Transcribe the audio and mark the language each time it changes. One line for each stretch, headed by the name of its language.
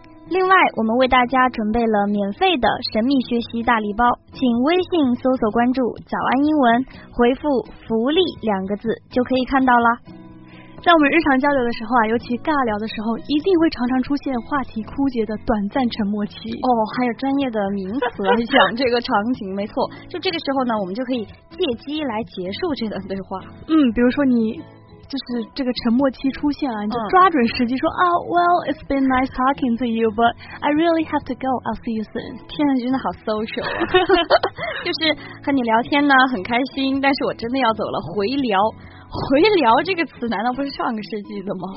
Chinese: 另外，我们为大家准备了免费的神秘学习大礼包，请微信搜索关注早安英文，回复福利两个字就可以看到了。在我们日常交流的时候啊，尤其尬聊的时候，一定会常常出现话题枯竭的短暂沉默期。哦，还有专业的名词来讲这个场景。没错，就这个时候呢，我们就可以借机来结束这段对话。嗯，比如说你就是这个沉默期出现了，你就抓准时机说啊、
English: well, it's been nice talking to you, but I really have to go. I'll see you soon.
Chinese: 天哪，真的好 social 啊。就是和你聊天呢很开心，但是我真的要走了，回聊。回聊这个词难道不是上个世纪的吗？